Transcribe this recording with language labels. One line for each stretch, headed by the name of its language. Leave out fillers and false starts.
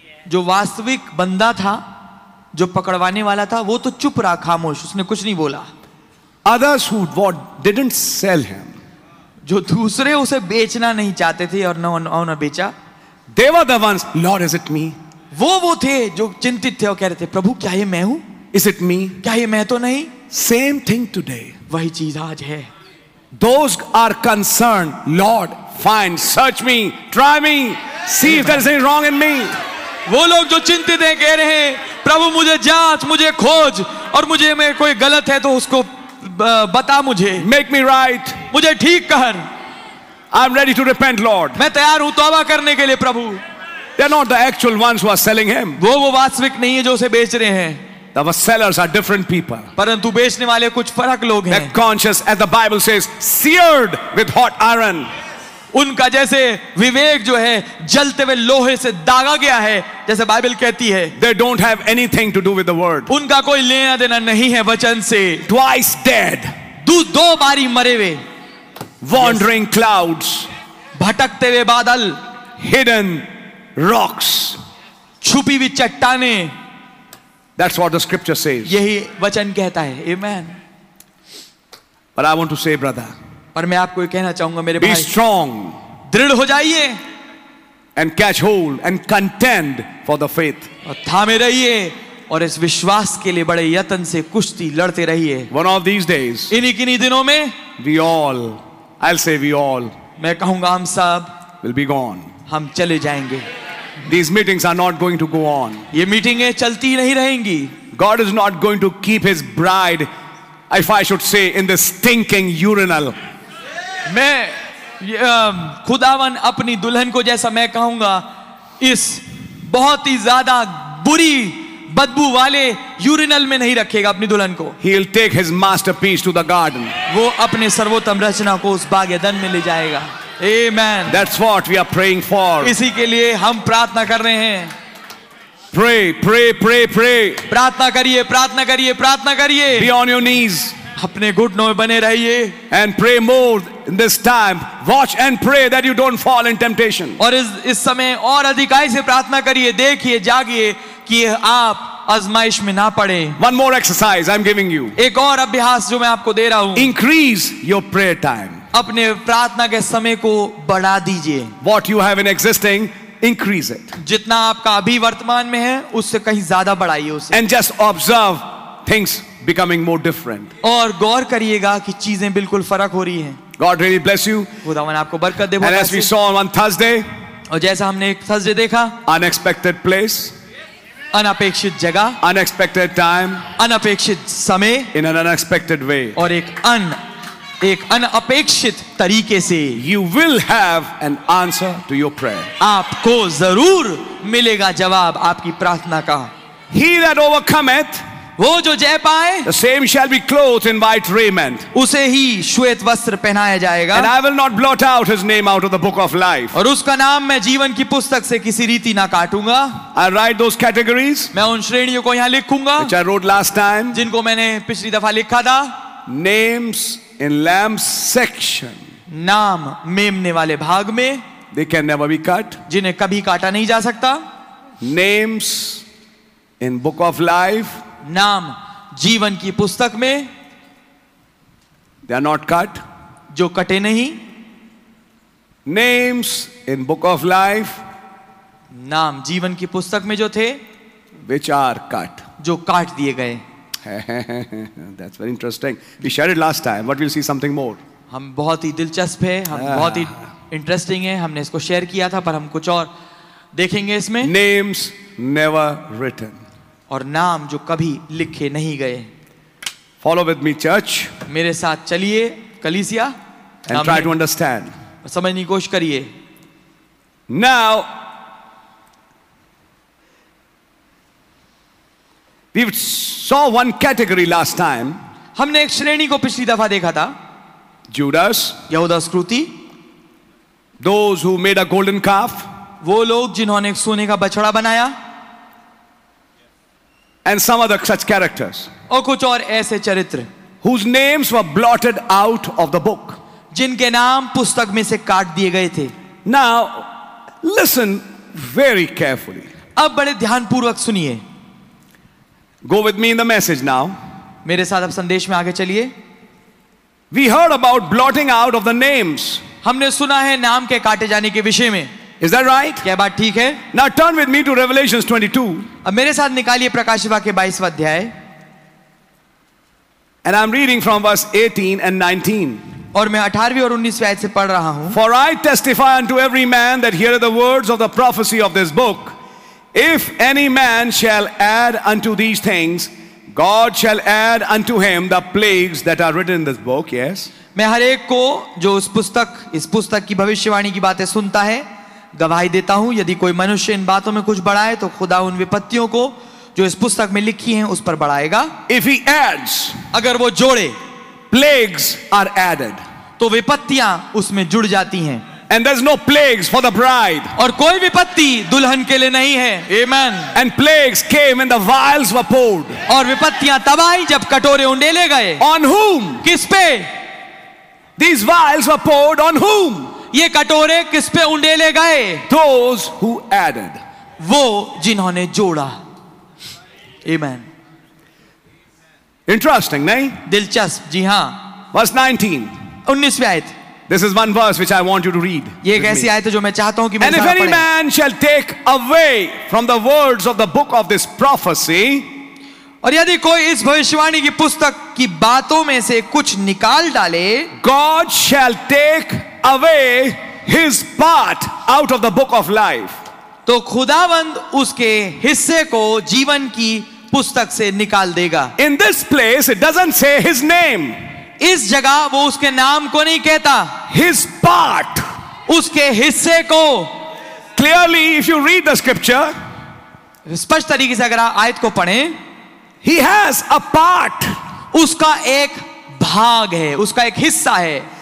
Hindi: जो वास्तविक बंदा था जो पकड़वाने वाला था वो तो चुप रहा खामोश उसने कुछ नहीं बोला
English: others who what didn't sell him
Hindi: जो दूसरे उसे बेचना नहीं चाहते थे और न बेचा
English: they were the ones Lord is it me
Hindi: वो थे जो चिंतित थे और कह रहे थे प्रभु क्या ये मैं हूं
English: is it me
Hindi: क्या ये मैं तो नहीं
English: same thing today
Hindi: वही चीज आज है
English: Those are concerned, Lord, find, search me, try me, see if there is anything wrong in me.
Hindi: वो लोग जो चिंतित हैं कह रहे हैं प्रभु मुझे जांच मुझे खोज और मुझे में कोई गलत है तो उसको बता मुझे
English: Make me right.
Hindi: मुझे ठीक कर
English: I'm ready to repent, Lord.
Hindi: मैं तैयार हूं तौबा करने के लिए प्रभु
English: They're not the actual ones who are selling him.
Hindi: वो वास्तविक नहीं है जो उसे बेच रहे हैं
English: The sellers are different people.
Hindi: परंतु बेचने वाले कुछ फर्क लोग हैं.
English: They're conscious, as the Bible says, seared with hot iron.
Hindi: उनका जैसे विवेक जो है जलते हुए लोहे से दागा गया है जैसे बाइबल कहती है
English: They don't have anything to do with the word.
Hindi: उनका कोई लेना देना नहीं है वचन से
English: Twice dead.
Hindi: दो बारी मरे हुए
English: Wandering yes. clouds.
Hindi: भटकते हुए बादल
English: Hidden rocks.
Hindi: छुपी हुई चट्टाने
English: That's what the scripture says.
Hindi: यही वचन कहता है, Amen.
English: But I want to say, brother.
Hindi: पर मैं आपको ये कहना चाहूँगा, मेरे
English: भाई. Be strong.
Hindi: दृढ़ हो जाइए.
English: And catch hold and contend for the faith.
Hindi: और थामे रहिए और इस विश्वास के लिए बड़े यतन से कुश्ती लड़ते रहिए.
English: One of these days.
Hindi: इन्हीं दिनों में.
English: We all. I'll say we all.
Hindi: मैं कहूँगा हम सब.
English: Will be gone.
Hindi: हम चले जाएंगे.
English: These meetings are not going to go on.
Hindi: ये मीटिंगें चलती नहीं रहेंगी.
English: God is not going to keep His bride, if I should say, in the stinking urinal.
Hindi: मैं खुदावन अपनी दुल्हन को जैसा मैं कहूँगा इस बहुत ही ज़्यादा बुरी बदबू वाले urinal में नहीं रखेगा अपनी दुल्हन को.
English: He'll take His masterpiece to the garden.
Hindi: वो अपने सर्वोत्तम रचना को उस बाग़-ए-दन में ले जाएगा.
English: Amen. That's what we are praying for.
Hindi: इसी के लिए हम प्रार्थना कर रहे हैं.
English: Pray, pray, pray, pray.
Hindi: प्रार्थना करिए, प्रार्थना करिए, प्रार्थना करिए.
English: Be on your knees.
Hindi: अपने घुटनों में बने रहिए.
English: And pray more in this time. Watch and pray that you don't fall in temptation.
Hindi: और इस समय और अधिक ऐसे प्रार्थना करिए, देखिए, जागिए कि आप अजमाइश में ना पड़े.
English: One more exercise I'm giving you.
Hindi: एक और अभ्यास जो मैं आपको दे रहा हूँ.
English: Increase your prayer time.
Hindi: अपने प्रार्थना के समय को बढ़ा दीजिए
English: What you have in existing, increase it.
Hindi: जितना आपका अभी वर्तमान में है उससे कहीं ज्यादा बढ़ाइए उसे.
English: And just observe things becoming more different.
Hindi: और गौर करिएगा कि चीजें बिल्कुल फर्क हो रही हैं.
English: God really bless you.
Hindi: खुदावन आपको बरकत दे.
English: And as we saw on Thursday,
Hindi: और जैसा हमने एक थर्सडे देखा
English: unexpected place
Hindi: अनपेक्षित जगह
English: unexpected time
Hindi: अनपेक्षित समय
English: in an unexpected way
Hindi: और एक अनअपेक्षित तरीके से
English: you will have an answer to your prayer
Hindi: आपको जरूर मिलेगा जवाब आपकी प्रार्थना का
English: ही that overcometh
Hindi: वो जो जय पाए
English: the same shall be clothed in white raiment
Hindi: उसे ही श्वेत वस्त्र पहनाया जाएगा
English: and I will not blot out his name out of the book of life
Hindi: और उसका नाम मैं जीवन की पुस्तक से किसी रीति ना काटूंगा
English: I write those categories
Hindi: मैं उन श्रेणियों को यहाँ लिखूंगा
English: which I wrote last time
Hindi: जिनको मैंने पिछली दफा लिखा था
English: names In lamb's section,
Hindi: नाम मेमने वाले भाग में
English: they can never be cut,
Hindi: जिन्हें कभी काटा नहीं जा सकता
English: names in book of life,
Hindi: नाम जीवन की पुस्तक में
English: they are not cut,
Hindi: जो कटे नहीं
English: names in book of life,
Hindi: नाम जीवन की पुस्तक में जो थे
English: which are cut,
Hindi: जो काट दिए गए
English: That's very interesting. We shared it last time, but we'll see something more.
Hindi: हम बहुत ही दिलचस्प हैं, हम बहुत ही interesting हैं. हमने इसको शेयर किया था, पर हम कुछ और देखेंगे इसमें.
English: Names never written.
Hindi: और नाम जो कभी लिखे नहीं गए.
English: Follow with me, church.
Hindi: मेरे साथ चलिए कलीसिया.
English: And try to understand.
Hindi: समझने की कोशिश करिए.
English: Now. We saw one category last time.
Hindi: हमने एक श्रेणी को पिछली दफा देखा था.
English: Judas.
Hindi: यहूदा स्क्रूती.
English: Those who made a golden calf.
Hindi: वो लोग जिन्होंने एक सोने का बछड़ा बनाया.
English: And some other such characters.
Hindi: और कुछ और ऐसे चरित्र.
English: Whose names were blotted out of the book.
Hindi: जिनके नाम पुस्तक में से काट दिए गए थे.
English: Now, listen very carefully.
Hindi: अब बड़े ध्यानपूर्वक सुनिए.
English: Go with me in the message now.
Hindi: मेरे साथ अब संदेश में आगे चलिए.
English: We heard about blotting out of the names.
Hindi: हमने सुना है नाम के काटे जाने के विषय में.
English: Is that right?
Hindi: क्या बात ठीक है?
English: Now turn with me to Revelation 22.
Hindi: अब मेरे साथ निकालिए प्रकाशवा के 22वां अध्याय.
English: And I'm reading from verse 18 and 19.
Hindi: और मैं 18वीं और 19वीं आयत से पढ़ रहा हूँ.
English: For I testify unto every man that heareth the words of the prophecy of this book. If any man shall add unto these things, God shall add unto him the plagues that are written in this book. Yes.
Hindi: मैं हर एक को जो इस पुस्तक की भविष्यवाणी की बातें सुनता है गवाही देता हूं यदि कोई मनुष्य इन बातों में कुछ बढ़ाए तो खुदा उन विपत्तियों को जो इस पुस्तक में लिखी हैं उस पर बढ़ाएगा.
English: If he adds,
Hindi: अगर वो जोड़े,
English: plagues are added,
Hindi: तो विपत्तियां उसमें जुड़ जाती हैं.
English: And there's no plagues for the bride.
Hindi: और कोई विपत्ति दुल्हन के लिए नहीं है.
English: Amen. And plagues came when the vials were poured.
Hindi: और विपत्तियां तब आई जब कटोरे उंडेले गए.
English: On whom?
Hindi: किस पे?
English: These vials were poured on whom?
Hindi: ये कटोरे किस पे उंडेले गए?
English: Those who added.
Hindi: वो जिन्होंने जोड़ा. Amen.
English: Interesting, नहीं?
Hindi: दिलचस्प, जी हाँ.
English: Verse 19.
Hindi: 19वीं आयत.
English: This is one verse which I want you to read.
Hindi: ये एक ऐसी आयत है जो मैं चाहता हूँ कि
English: मैं. And if any man shall take away from the words of the book of this prophecy,
Hindi: और यदि कोई इस भविष्यवाणी की पुस्तक की बातों में से कुछ निकाल डाले,
English: God shall take away his part out of the book of life.
Hindi: तो खुदावंद उसके हिस्से को जीवन की पुस्तक से निकाल देगा.
English: In this place, it doesn't say his name.
Hindi: इस जगह वो उसके नाम को नहीं कहता.
English: His part,
Hindi: उसके हिस्से को.
English: Clearly, if you read the scripture,
Hindi: स्पष्ट तरीके से अगर आप आयत को पढ़ें,
English: he has a part,
Hindi: उसका एक भाग है, उसका एक हिस्सा है.